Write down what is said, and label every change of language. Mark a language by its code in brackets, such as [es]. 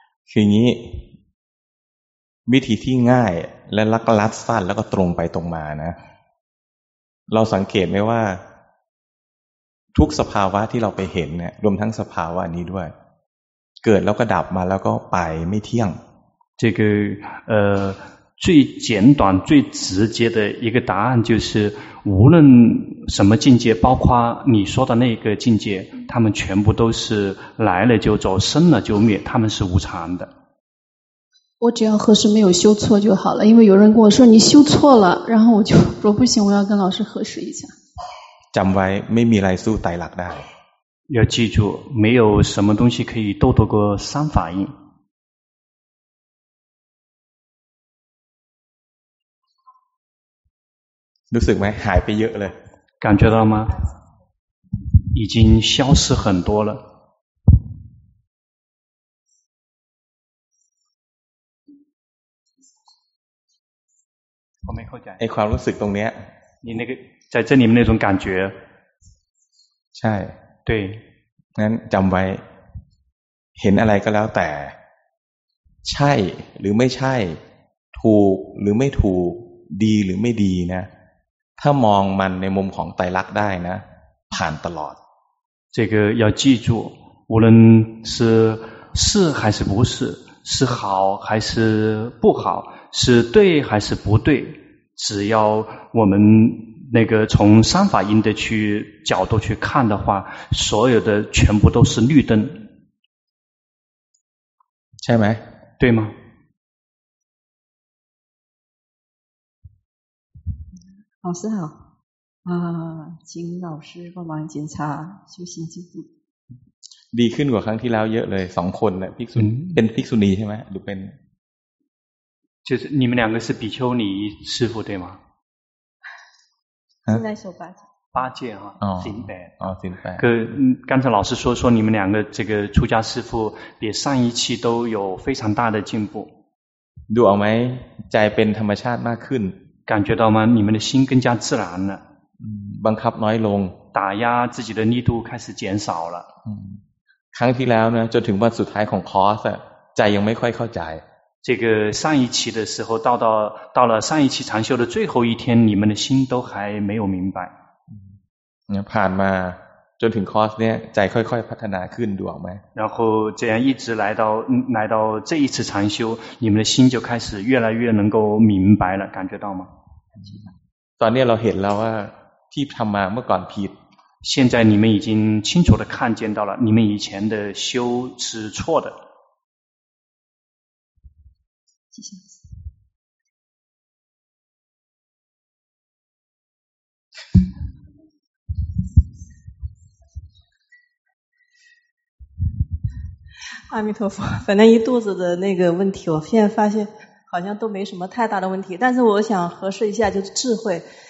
[th] คืออย่างนี้วิธีที่ง่ายและลักลัดสั้นแล้วก็ตรงไปตรงมานะเราสังเกตไหมว่าทุกสภาวะที่เราไปเห็นเนี่ยรวมทั้งสภาวะนี้ด้วยเกิดแล้วก็ดับมาแล้วก็ไปไม่เที่ยง [zh] 这个最简短最直接的一个答案就是无论什么境界包括你说的那个境界他们全部都是来了就走生了就灭他们是无常的我只要合适没有修错就好了因为有人跟我说你修错了然后我就说不行我要跟老师核实一下 [th] จำไว้ไม่มีอะไรสู้ไตรลักษณ์ได้ [zh] 要记住没有什么东西可以斗得过三法印 [th] รู้สึกไหมหายไปเยอะเลย [zh] 感觉到吗已经消失很多了我没看见 [th] ไอ้ความรู้สึกตรงเนี้ย [zh] 你那个在这里面那种感觉 [th] ใช่ [zh] 对 [th] งั้นจำไว้เห็นอะไรก็แล้วแต่ใช่หรือไม่ใช่ถูกหรือไม่ถูกดีหรือไม่ดีนะถ้ามองมันในมุมของไตรลักษณ์ได้นะผ่านตลอด [zh] 这个要记住无论是是还是不是是好还是不好是对还是不对只要我们那个从三法印的去角度去看的话所有的全部都是绿灯下面对吗老师好啊，请老师帮忙检查修行进度 [th] ดีขึ้นกว่าครั้งที่แล้วเยอะเลยสองคนเนี่ยภิกษุเป็นภิกษุณีใช่ไหมหรือเป็น [zh] 就是你们两个是比丘尼师父对吗现在说八戒啊行呗啊行呗可刚才老师说你们两个这个出家师父比上一期都有非常大的进步 [th] ดูออกไหมใจเป็นธรรมชาติมากขึ้น [zh] 感觉到吗你们的心更加自然了 [th] บังคับน้อยลง [zh] 打压自己的力度开始减少了 [th] ครั้งที่แล้วนะจนถึงวันสุดท้ายของคอร์สใจยังไม่ค่อยเข้าใจ [zh] 这个上一期的时候到了上一期禅修的最后一天你们的心都还没有明白 [th] ผ่านมาจนถึงคอร์สเนี้ยใจค่อยๆพัฒนาขึ้นดูออกไ หม [zh] 然后这样一直来到这一次禅修你们的心就开始越来越能够明白了感觉到吗 [th] ตอนนี้เราเห็นแล้วว่าที่ทำมาเมื่อก่อนผิด [zh] 现在你们已经清楚地看见到了你们以前的修是错的谢谢阿弥陀佛反正一肚子的那个问题我现在发现好像都没什么太大的问题但是我想核实一下就是智慧